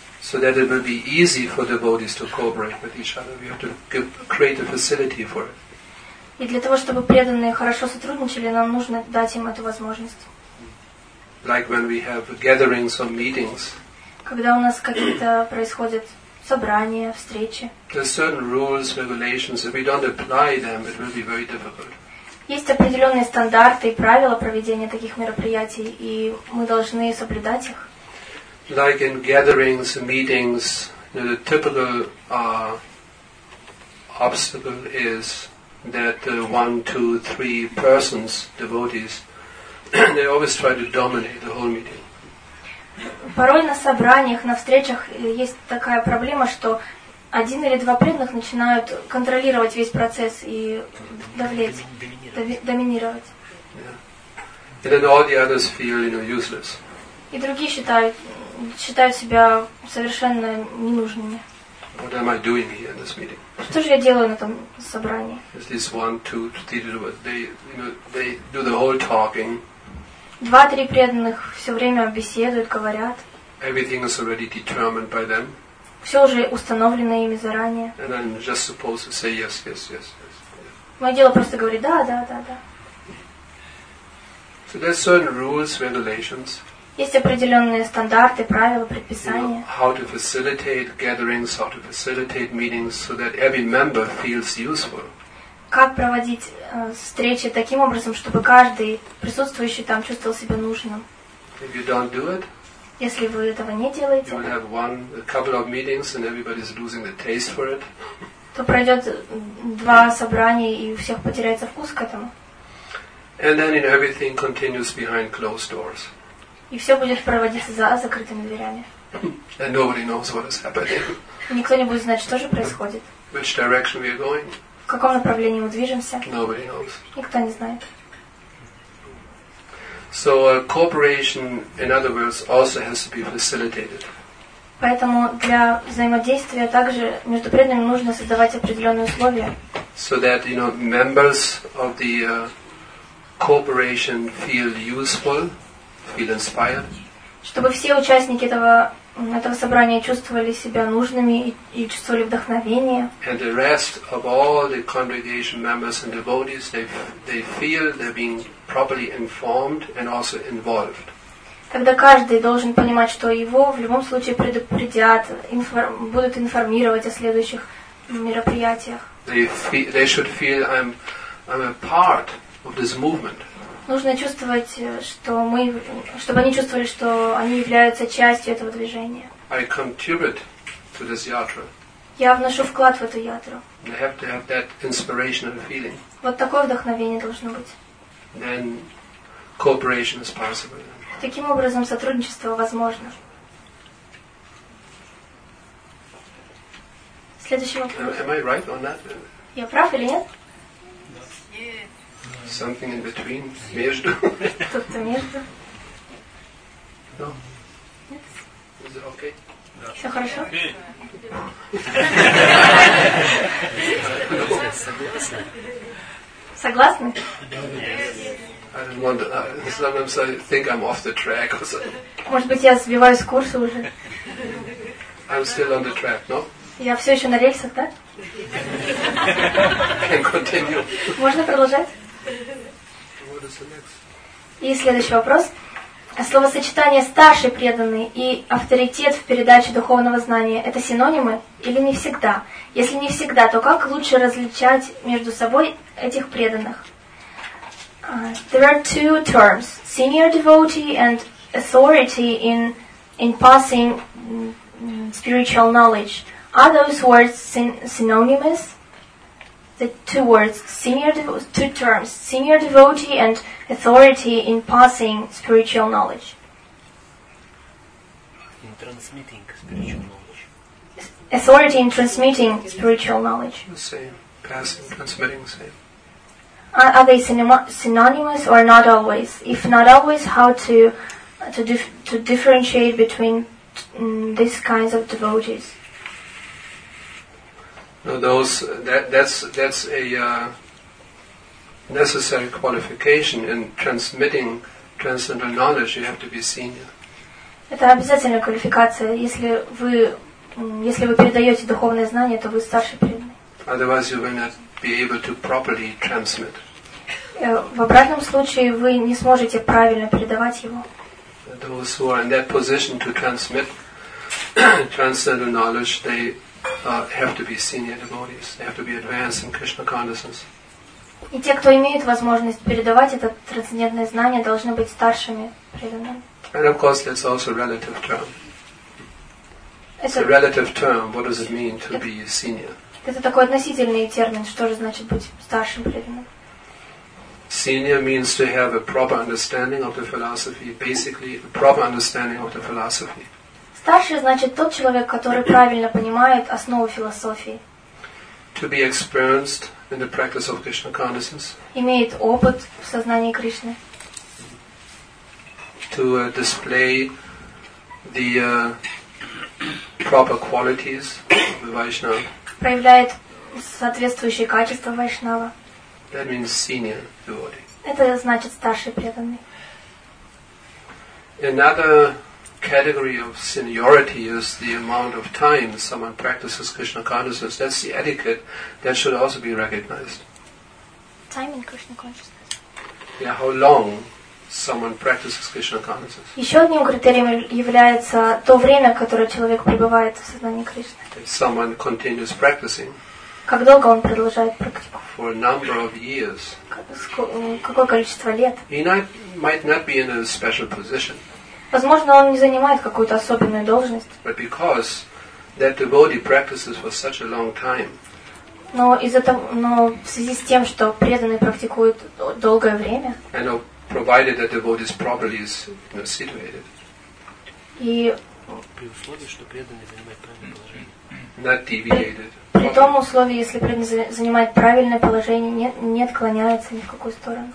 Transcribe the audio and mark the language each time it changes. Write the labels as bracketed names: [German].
[English] So that it will be easy for devotees to cooperate with each other. We have to create a facility for it. [Russian] И для того, чтобы преданные хорошо сотрудничали, нам нужно дать им эту возможность. [English] Like when we have gatherings or meetings. [Russian] Когда у нас какие-то происходят собрания, встречи. [English] There are certain rules, regulations. If we don't apply them, it will be very difficult. [Russian] Есть определенные стандарты и правила проведения таких мероприятий, и мы должны соблюдать их. [English] Like in gatherings, meetings, you know, the typical obstacle is that one, two, three persons, devotees. They always try to dominate the whole meeting. [Russian] Порой на собраниях, на встречах есть такая проблема, что один или два преданных начинают контролировать весь процесс и доминировать. [English] Yeah. And then all the others feel, you know, useless. [Russian] И другие считают себя совершенно ненужными. [English] What am I doing here in this meeting? [Russian] Что же я делаю на этом собрании? [English] It's this one, two, three, they, you know, they do the whole talking. [Russian] Два-три преданных все время беседуют, говорят. [English] Everything is already determined by them. [Russian] Все уже установлено ими заранее. [English] And I'm just supposed to say yes, yes, yes, yes. [Russian] Мое дело просто говорить да, да, да, да. [English] So there's certain rules, regulations. [Russian] Есть определенные стандарты, правила, предписания. [English] You know, how to facilitate gatherings, how to facilitate meetings, so that every member feels useful. [Russian] Как проводить встречи таким образом, чтобы каждый присутствующий там чувствовал себя нужным. [English] If you don't do it, [Russian] если вы этого не делаете, [English] you will have one, a couple of meetings and everybody's losing the taste for it. [Russian] То пройдет два собрания, и у всех потеряется вкус к этому. [English] And then, you know, everything continues behind closed doors. [Russian] И все будет проводиться за закрытыми дверями. [English] And nobody knows what is happening. [Russian] Никто не будет знать, что же происходит. [English] Which direction we are going. [Russian] В каком направлении мы движемся? [English] Nobody knows. [Russian] Никто не знает. [English] So cooperation, in other words, also has to be facilitated. [Russian] Поэтому для взаимодействия также между преданными нужно создавать определенные условия. [English] So that, you know, members of the cooperation feel useful, feel inspired. [Russian] Чтобы все участники этого на этом собрании чувствовали себя нужными и чувствовали вдохновение. [English] And the rest of all the congregation members and devotees, they feel they're being properly informed and also involved. [Russian] Когда каждый должен понимать, что его в любом случае предупредят, будут информировать о следующих мероприятиях. [English] They should feel I'm a part of this movement. [Russian] Нужно чувствовать, что мы, чтобы они чувствовали, что они являются частью этого движения. [English] I contribute to this yatra. [Russian] Я вношу вклад в эту ятру. [English] I have to have that inspirational feeling. [Russian] Вот такое вдохновение должно быть. [English] Then cooperation is possible. [Russian] Таким образом, сотрудничество возможно. Следующий вопрос. [English] Am I right on that? [Russian] Я прав или нет? [English] Something in between, [Russian] между. Что-то между. [English] No. Yes. Is it okay? [Russian] Все хорошо? Согласны? [English] I don't want to, sometimes I think I'm off the track or something. [Russian] Может быть, я сбиваюсь с курса уже. [English] I'm still on the track, no? [Russian] Я все еще на рельсах, да? [English] Can continue. [Russian] Можно продолжать? [English] What is the next? [Russian] И следующий вопрос. Словосочетание «старший преданный» и «авторитет в передаче духовного знания» — это синонимы или не всегда? Если не всегда, то как лучше различать между собой этих преданных? [English] There are two terms, senior devotee and authority in passing spiritual knowledge. Are those words synonymous? The two words, two terms, senior devotee and authority in passing spiritual knowledge. In transmitting spiritual knowledge. Authority in transmitting spiritual knowledge. The same, passing, transmitting, same. Are they synonymous or not always? If not always, how to differentiate between these kinds of devotees? No, that's a necessary qualification in transmitting transcendental knowledge. You have to be senior. [Russian] Это обязательная квалификация. Если вы передаете духовное знание, то вы старший преданный. [English] Otherwise, you will not be able to properly transmit. [Russian] В обратном случае вы не сможете правильно передавать его. [English] Those who are in that position to transmit transcendental knowledge, they have to be senior devotees. They have to be advanced in Krishna consciousness. [Russian] И те, кто имеют возможность передавать это трансцендентное знание, должны быть старшими преданными. [English] And of course, that's also a relative term. It's a relative term. What does it mean to be senior? [Russian] Это такой относительный термин. Что же значит быть старшим преданным? [English] Senior means to have a proper understanding of the philosophy. Basically, a proper understanding of the philosophy. [Russian] Старший значит тот человек, который правильно понимает основу философии. [English] To be experienced in the practice of Krishna consciousness. [Russian] Имеет опыт в сознании Кришны. [English] To display the proper qualities of the Vaishnava. [Russian] Проявляет соответствующие качества Вайшнава. [English] That means senior devotee. [Russian] Это значит старший преданный. [English] Another category of seniority is the amount of time someone practices Krishna consciousness. That's the etiquette that should also be recognized. Time in Krishna consciousness. Yeah, how long someone practices Krishna consciousness. [Russian] Еще одним критерием является то время, которое человек пребывает в сознании Кришны. [English] If someone continues practicing. [Russian] Как долго он продолжает практику? [English] For a number of years. [Russian] Какое количество лет? [English] He might not be in a special position. [Russian] Возможно, он не занимает какую-то особенную должность. [English] But because that devotee practices for such a long time. [Russian] Но в связи с тем, что преданный практикует долгое время. [English] And provided that devotee is properly situated. [Russian] И при условии, что преданный занимает правильное положение. [English] Not deviated. [Russian] При том условии, если преданный занимает правильное положение, не отклоняется ни в какую сторону.